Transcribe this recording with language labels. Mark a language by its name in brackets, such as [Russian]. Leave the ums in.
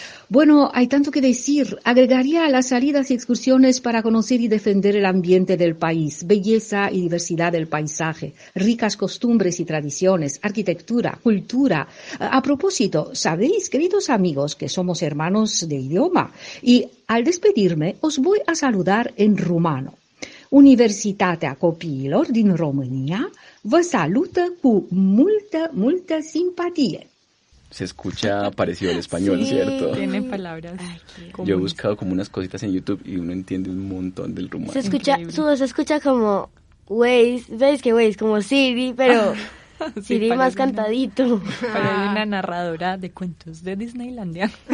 [Spanish] Bueno, hay tanto que decir. Agregaría las salidas y excursiones para conocer y defender el ambiente del país, belleza y diversidad del paisaje, ricas costumbres y tradiciones, arquitectura, cultura. A, a propósito, sabéis, queridos amigos, que somos hermanos de idioma y al despedirme os voy a saludar en rumano. [Romanian] Universitatea Copiilor din România vă salută cu multă, multă simpatía. [Spanish] Se escucha parecido al español, sí. ¿cierto? Tiene palabras. Ay, Yo he buscado como unas cositas en YouTube y uno entiende un montón del rumor. Se escucha, so, se escucha como Waze, ¿Veis que Waze? Como Siri, pero ah, sí, Siri para más una, cantadito. Para ah. una narradora de cuentos de Disneylandia.